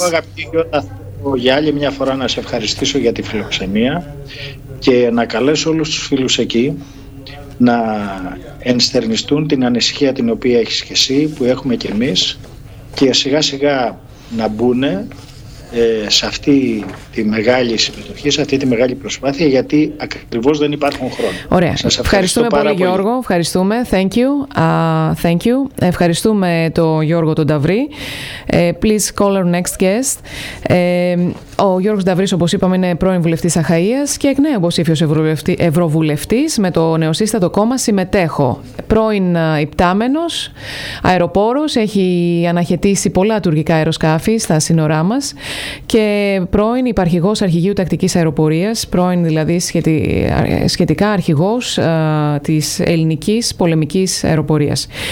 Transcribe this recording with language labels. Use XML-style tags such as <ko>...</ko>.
<el>Αγαπητή Γιώτα, θέλω για άλλη μια φορά να σε ευχαριστήσω για τη φιλοξενία και να καλέσω όλους τους φίλους εκεί να ενστερνιστούν την ανησυχία την οποία έχεις και εσύ, που έχουμε και εμείς, και σιγά σιγά να μπουν σε αυτή τη μεγάλη συμμετοχή, σε αυτή τη μεγάλη προσπάθεια, γιατί ακριβώς δεν υπάρχουν χρόνια. Ωραία. Σας ευχαριστούμε πολύ, Γιώργο. Ευχαριστούμε.</el> <en>Thank you. Thank you.</en> <el>Ευχαριστούμε τον Γιώργο τον Νταβρή.</el> <en>Please call our next guest.</en> <el>Ο Γιώργος Νταβρής, όπως είπαμε, είναι πρώην βουλευτής Αχαΐας και εκ νέου υποψήφιος ευρωβουλευτής με το νεοσύστατο κόμμα Συμμετέχω. Πρώην υπτάμενος, αεροπόρος, έχει αναχαιτήσει πολλά τουρκικά αεροσκάφη στα σύνορά μας και πρώην υπαρχηγός αρχηγείου τακτικής αεροπορίας, πρώην δηλαδή σχετικά αρχηγός της ελληνικής πολεμικής αεροπορίας.</el>